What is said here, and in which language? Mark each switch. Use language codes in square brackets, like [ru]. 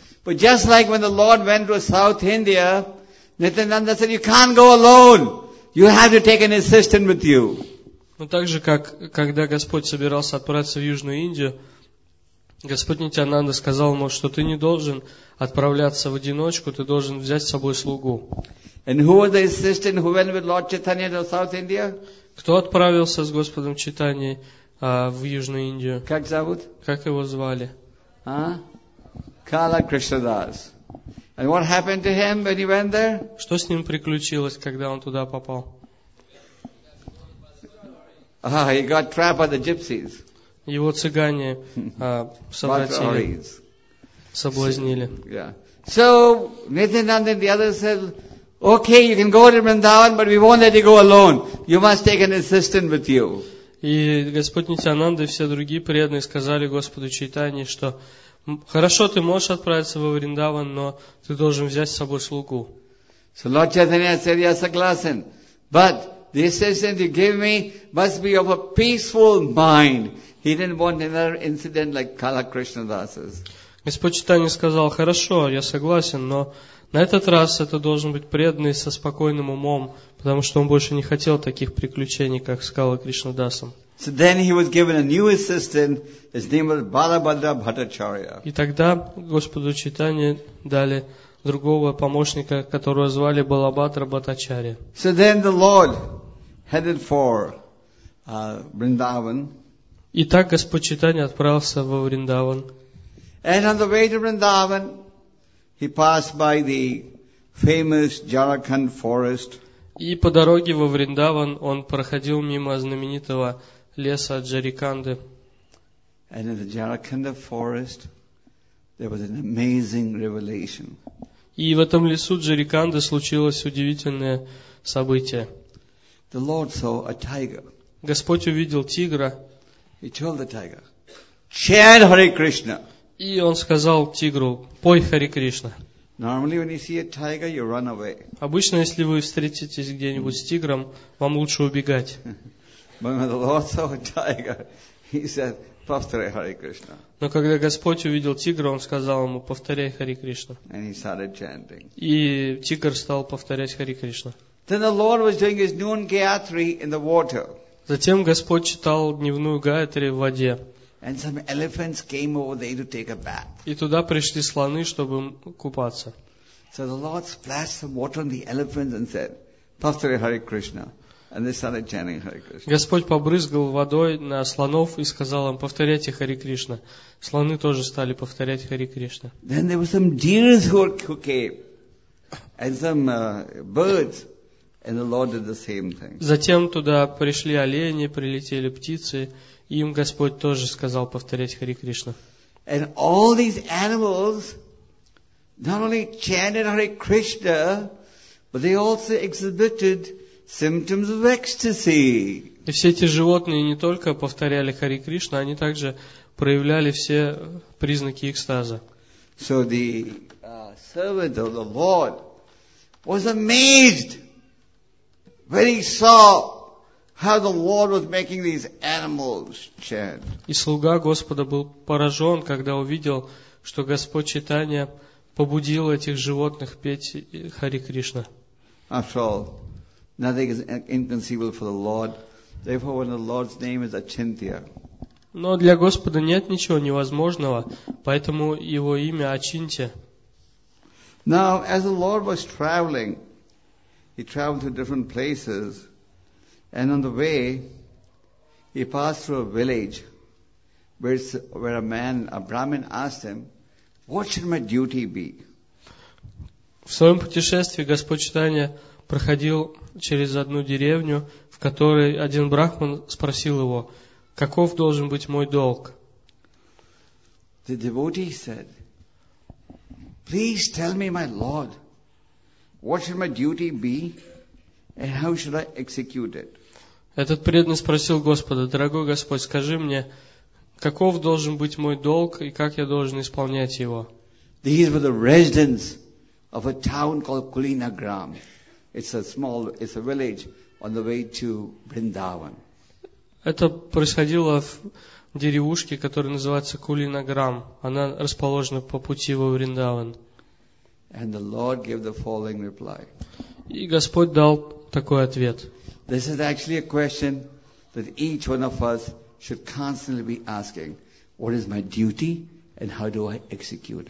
[en] But just like when the Lord went to South India, Nityananda said, "You can't go alone. You have to take an assistant with you." [ru] Но так же, как когда Господь собирался отправиться в Южную Индию, Господь Нитянанда сказал ему, что ты не должен отправляться в одиночку, ты должен взять с собой слугу. [en] And who was the assistant who went with Lord Chaitanya to South India? [ru] Кто отправился с Господом Чайтаньей в Южную Индию? Как зовут? Как его звали? А? Кала Кришнадас. [en] And what happened to him when he went there? [ru] Что с ним приключилось, когда он туда попал? [en] He got trapped by the gypsies. [ru] Его цыгане совратили, соблазнили. [en] So Nityananda and the others said, "Okay, you can go to Vrindavan, but we won't let you go alone. You must take an assistant with you." [ru] И Господь Нитянанда и все другие преданные сказали Господу Чайтанье, что хорошо, ты можешь отправиться во Вриндаван, но ты должен взять с собой слугу. [en] So Lord Chaitanya said, [ru] "Я согласен, [en] but the assistant you give me must be of a peaceful mind." He didn't want another incident like Kala Krishnadas's. [ru] Господь Чайтанья сказал: "Хорошо, я согласен, но на этот раз это должен быть преданный со спокойным умом, потому что он больше не хотел таких приключений, как с Кала Кришнадасом." [en] So then he was given a new assistant. His name was Balabhadra Bhattacharya. [ru] И тогда Господу Чайтанье дали другого помощника, которого звали Балабхадра Бхаттачарья. [en] So then the Lord headed for Vrindavan. [ru] Итак, Господь Чайтанья отправился во Вриндаван. [en] And on the way to Vrindavan, he passed by the famous Jarakhand forest. [ru] И по дороге во Вриндаван он проходил мимо знаменитого леса Джариканды. [en] And in the Jarakhanda forest, there was an amazing revelation. [ru] И в этом лесу Джариканды случилось удивительное событие. [en] The Lord saw a tiger. [ru] Господь увидел тигра. [en] He told the tiger, "Chant Hare Krishna." [ru] И он сказал тигру, пой Харе Кришна. [en] Normally, when you see a tiger, you run away. [ru] Обычно, если вы встретитесь где-нибудь с тигром, вам лучше убегать. [en] But when the Lord saw a tiger, he said, [ru] "Повторяй Харе Кришна." Но когда Господь увидел тигра, он сказал ему, повторяй Харе Кришна. [en] And he started chanting. [ru] И тигр стал повторять Харе Кришна. [en] Then the Lord was doing his noon gayatri in the water. [ru] Затем Господь читал дневную гаятри в воде. [en] And some elephants came over there to take a bath. [ru] И туда пришли слоны, чтобы купаться. [en] So the Lord splashed some water on the elephants and said, [ru] "Повторяй Харе Кришна." [en] And they started chanting Hare Krishna. [ru] Господь побрызгал водой на слонов и сказал им, повторяйте Харе Кришна. Слоны тоже стали повторять Харе Кришна. [en] Then there were some deer who came and some birds, and the Lord did the same thing. [ru] Затем туда пришли олени, прилетели птицы, и им Господь тоже сказал повторять Харе Кришна. [en] And all these animals not only chanted Hare Krishna, but they also exhibited symptoms of ecstasy. [ru] И все эти животные не только повторяли Харе Кришна, они также проявляли все признаки экстаза. [en] So the servant of the Lord was amazed when he saw how the Lord was making these animals chant. [ru] И слуга Господа был поражен, когда увидел, что Господь Чайтанья побудил этих животных петь Харе Кришна. [en] After all, nothing is inconceivable for the Lord. Therefore, when the Lord's name is Achintya. [ru] Но для Господа нет ничего невозможного, поэтому его имя Ачинтья. [en] Now, as the Lord was traveling, he traveled to different places, and on the way, he passed through a village where a man, a Brahmin, asked him, "What should my duty be?" [ru] В своем путешествии Господь Чайтанья проходил через одну деревню, в которой один брахман спросил его, каков должен быть мой долг. [en] The devotee said, "Please tell me, my lord, what should my duty be, and how should I execute it?" [ru] Этот преданный спросил Господа, дорогой Господь, скажи мне, каков должен быть мой долг и как я должен исполнять его. [en] These were the residents of a town called Kulinagram. It's a village on the way to Vrindavan. [ru] Это происходило в деревушке, которая называется Кулинаграм. Она расположена по пути во Вриндаван. [en] And the Lord gave the following reply. [ru] И Господь дал такой ответ. [en] This is actually a question that each one of us should constantly be asking. What is my duty and how do I execute it?